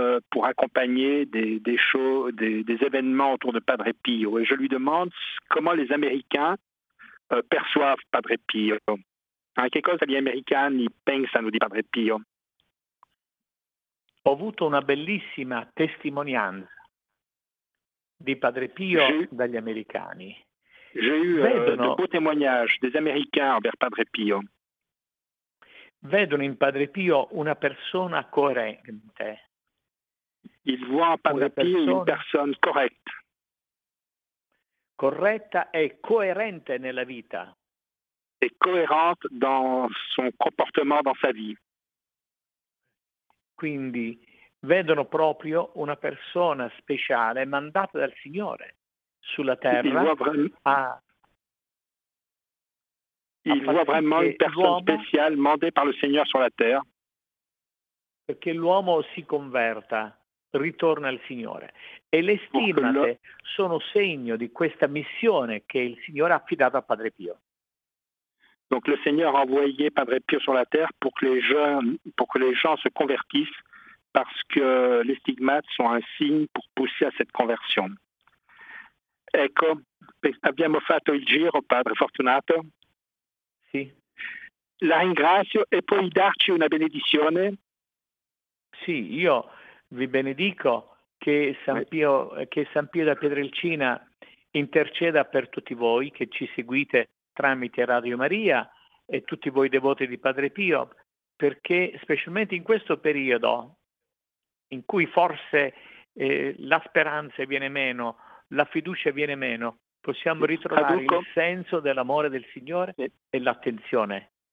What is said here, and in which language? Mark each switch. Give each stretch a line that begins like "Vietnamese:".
French: pour accompagner des événements autour de Padre Pio. Et je lui demande comment les Américains perçoivent Padre Pio.
Italian: En che cosa gli americani pensano di Padre Pio? Ho avuto una bellissima testimonianza di Padre Pio dagli americani.
French: J'ai eu de beaux témoignages des Américains envers Padre Pio.
Italian: Vedono in Padre Pio una persona coerente.
French: Ils voient en Padre Pio une personne correcte.
Italian: Corretta e coerente nella vita. È coerente
French: dans son comportement dans sa vie.
Italian: Quindi vedono proprio una persona speciale mandata dal Signore sulla terra.
French: Il voit vraiment une personne spéciale mandée par le Seigneur sur la terre.
Italian: Perché l'uomo si converta, ritorna al Signore. E le stimmate sono segno di questa missione che il Signore ha affidato a Padre Pio.
French: Donc le Seigneur a envoyé Padre Pio sur la terre pour que les gens se convertissent, parce que les stigmates sont un signe pour pousser à cette conversion.
Italian: Ecco, abbiamo fatto il giro, Padre Fortunato. Sì. La ringrazio e puoi darci una benedizione? Sì, io vi benedico che San Pio da Pietrelcina interceda per tutti voi che ci seguite tramite Radio Maria e tutti voi devoti di Padre Pio, perché specialmente in questo periodo in cui forse la speranza viene meno, la fiducia viene meno, possiamo ritrovare il senso dell'amore del Signore e l'attenzione.